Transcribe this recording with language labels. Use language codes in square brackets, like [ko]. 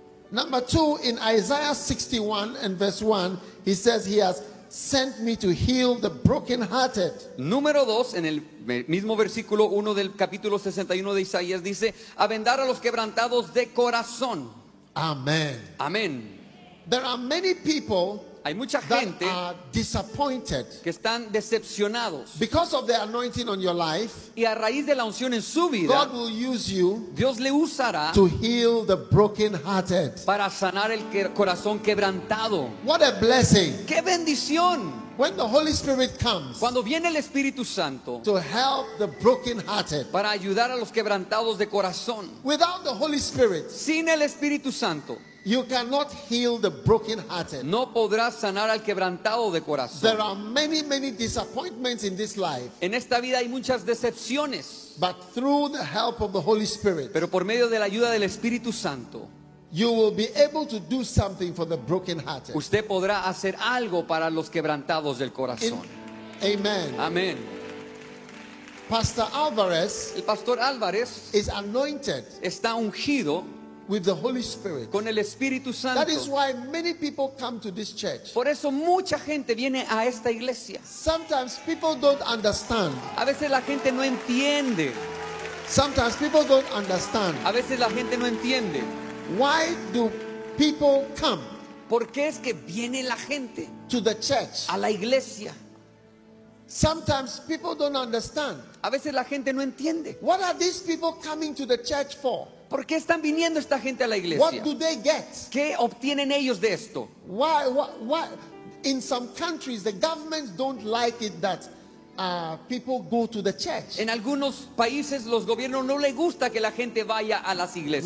[en] Number two, in Isaiah 61 and verse 1, he says he has sent me to heal the brokenhearted. [es] Número 2, en el mismo versículo 1 del capítulo 61 de Isaías, dice, a vendar a los quebrantados de corazón. [en] Amen. [es] Amen. [en] There are many people, [es] hay mucha gente, [en] that are disappointed, [es] que están decepcionados, [en] because of the anointing on your life, [es] y a raíz de la unción en su vida, [en] God will use you, [es] Dios le usará, [en] to heal the brokenhearted, [es] para sanar el corazón quebrantado. [en] What a blessing! [es] Qué bendición! [en] When the Holy Spirit comes, [es] cuando viene el Espíritu Santo, [en] to help the brokenhearted, [es] para ayudar a los quebrantados de corazón. [en] Without the Holy Spirit, [es] sin el Espíritu Santo, [en] you cannot heal the brokenhearted. [es] No podrás sanar al quebrantado de corazón. [en] There are many, many disappointments in this life. [es] En esta vida hay muchas decepciones. [en] But through the help of the Holy Spirit, [es] pero por medio de la ayuda del Espíritu Santo, [en] you will be able to do something for the brokenhearted. [es] Usted podrá hacer algo para los quebrantados del corazón. [en] Amen. [es] Amen. [en] Pastor Alvarez, [es] el Pastor Alvarez, [en] is anointed. [es] Está ungido. [en] With the Holy Spirit. [es] Con el Espíritu Santo. [en] That is why many people come to this church. [es] Por eso mucha gente viene a esta iglesia. [en] Sometimes people don't understand. [es] A veces la gente no entiende. [en] Sometimes people don't understand. [es] A veces la gente no entiende. [en] Why do people come? [es] ¿Por qué es que viene la gente? [en] To the church. [es] A la iglesia. [en] Sometimes people don't understand. [es] A veces la gente no entiende. [en] What are these people coming to the church for? [es] ¿Por qué están viniendo esta gente a la iglesia? [en] What do they get? [es] ¿Qué obtienen ellos de esto? [en] Why? In some countries, the governments don't like it that people go to the church. [es] En algunos países los gobiernos no les gusta que la gente vaya a las iglesias.